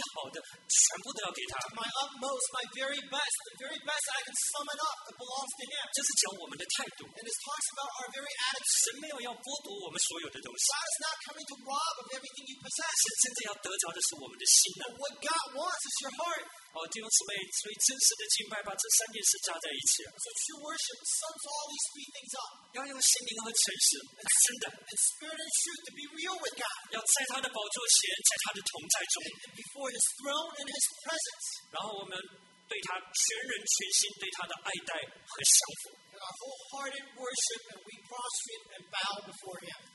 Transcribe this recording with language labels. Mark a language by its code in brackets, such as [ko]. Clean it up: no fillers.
[zh] 然后全神为主，就是我最好的、最好的，全部都要给他。 [en] My utmost, my very best, the very best I can sum it up, it belongs to Him. [zh] 这是讲我们的态度。 [en] And it talks about our very attitude. [zh] 神没有要剥夺我们所有的东西。 [en] God is not coming to rob of everything you possess. [zh] 真正要得着的是我们的心呢。 [en] What God wants is your heart. [zh] 哦，弟兄姊妹，所以真实的敬拜把这三件事加在一起。 [en] So true worship sums all these three things up. [zh] 要用心灵和诚实，真的。 [en] And spirit and truth to be real with God. [zh] 要在他的宝座前，在他的同在中。 [en] And before His throne and His presence. [zh] 然后我们对他全人全心对他的爱戴和降服。 [en] And our wholehearted worship, and we prostrate and bow before Him.